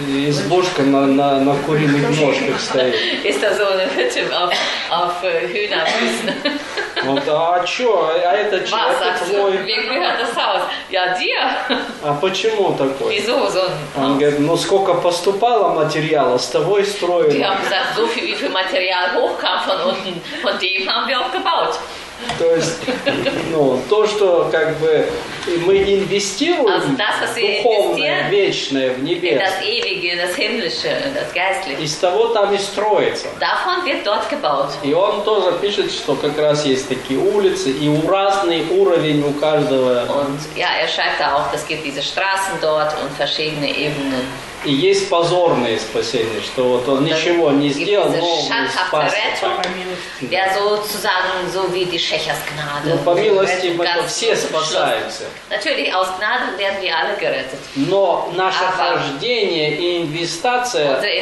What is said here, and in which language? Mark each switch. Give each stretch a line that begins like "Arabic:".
Russian: избушка на куриных ножках стоит.
German: Ist da so eine Hütte auf Hühnerfüßen?
Russian: Вот, а что? А это человек твой?
German: Wem gehört das Haus? Ja, dir.
Russian: А почему такой?
German: Wieso so ein Haus?
Russian: Он говорит, ну сколько поступало материала, с того и строили.
German: Die haben gesagt, so viel, wie viel Material hochkam von unten, von dem haben wir aufgebaut.
Russian: То есть, ну, то, что как бы мы инвестируем
German: das,
Russian: духовное, вечное в небес,
German: das ewige, das himmlische, das geistliche.
Russian: Из того там и строится.
German: Davon wird dort gebaut.
Russian: И он тоже пишет, что как раз есть такие улицы, и у разный уровень у каждого.
German: Und, ja, schreibt auch, es gibt diese Straßen dort und verschiedene Ebenen.
Russian: И есть позорное спасение, что вот он ничего не сделал, но он спас.
German: Ja, sozusagen, so wie die Schächers Gnade.
Russian: Ну, по милости мы все спасаемся.
German: Natürlich, aus Gnade werden wir alle gerettet.
Russian: Но наше хождение и инвестиция